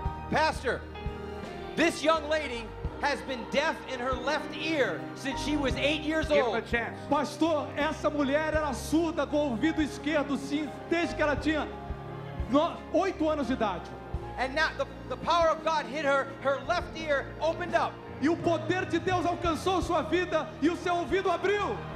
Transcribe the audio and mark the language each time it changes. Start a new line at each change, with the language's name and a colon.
English: Pastor, this young lady has been deaf in her left ear since she was 8 years old. Give her a chance.
Portuguese: Pastor, essa mulher era surda do ouvido esquerdo sim, desde que ela tinha 8 anos de idade.
English: And now the power of God hit her, her left ear opened up.
Portuguese: E o poder de Deus alcançou sua vida e o seu ouvido abriu.